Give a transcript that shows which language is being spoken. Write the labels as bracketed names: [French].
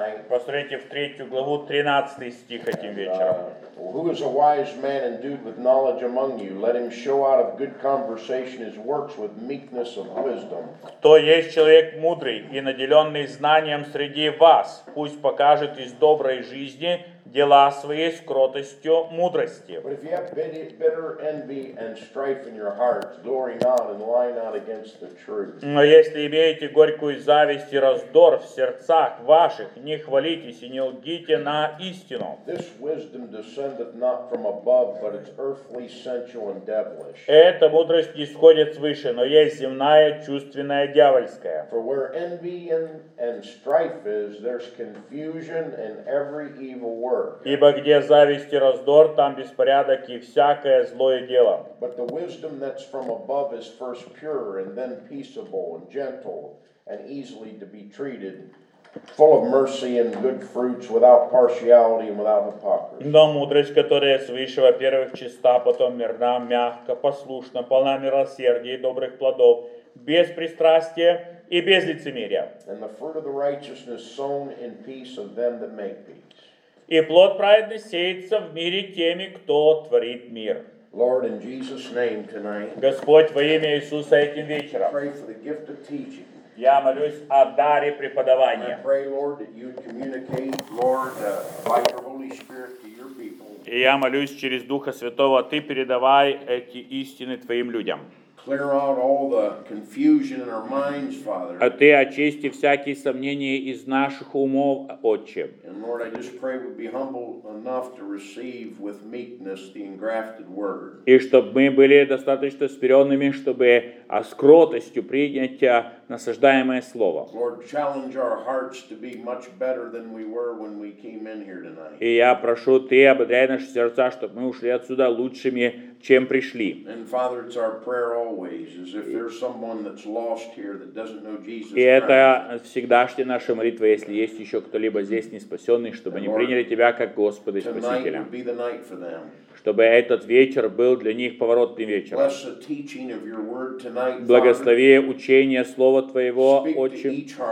[Russian] Посмотрите в 3 главу, 13 стих этим вечером. [English] Who is a wise man endued with knowledge among you? Let him show out of good conversation his works with meekness of wisdom. [Russian] Кто есть человек мудрый и наделенный знанием среди вас, пусть покажет из доброй жизни дела свои с кротостью мудрости. [English] But if you have bitter envy and strife in your hearts, glory not and lie not against the truth. [Russian] Но если имеете горькую зависть и раздор в сердцах ваших, не хвалитесь и не лгите на истину. [English] This wisdom descendeth not from above, but it's earthly, sensual and devilish. [Russian] Эта мудрость не сходит свыше, но есть земная, чувственная, дьявольская. [English] For where envy and strife is, there's confusion and every evil. [Russian] Ибо где зависть и раздор, там беспорядок и всякое злое дело. [English] But the wisdom that's from above is first pure, and then peaceable, and gentle, and easily to be treated, full of mercy and good fruits, without partiality and without hypocrisy. [Russian] Но мудрость, которая свыше, во-первых, чиста, потом мирна, мягка, послушна, полна милосердия и добрых плодов, без пристрастия и без лицемерия. [English] And the fruit of the righteousness sown in peace of them that make peace. [Russian] И плод праведный сеется в мире теми, кто творит мир. [English] Lord, in Jesus' name tonight, [Russian] Господь, во имя Иисуса этим вечером, [English] pray for the gift of teaching. [Russian] Я молюсь о даре преподавания. [English] Pray, Lord, that you'd communicate, Lord, by your Holy Spirit to your people. [Russian] И я молюсь через Духа Святого, Ты передавай эти истины Твоим людям. [English] Clear out all the confusion in our minds, Father. [Russian] А Ты очисти всякие сомнения из наших умов, Отче. [English] And Lord, I just pray we'd be humble enough to receive with meekness the engrafted word. [Russian] И чтобы мы были достаточно смиренными, чтобы с кротостью принять насаждаемое слово. [English] Lord, challenge our hearts to be much better than we were when we came in here tonight. [Russian] И я прошу, Ты ободряй наши сердца, чтобы мы ушли отсюда лучшими, чем пришли. [English] And Father, it's our prayer always, as if there's someone that's lost here that doesn't know Jesus Christ. [Russian] И это всегдашняя наша молитва, если есть еще кто-либо здесь не спасенный, чтобы они приняли Тебя как Господа и Спасителя. [English] Tonight would be the night for them. [Russian] Чтобы этот вечер был для них поворотным вечером. Благослови учение Слова Твоего, Отче.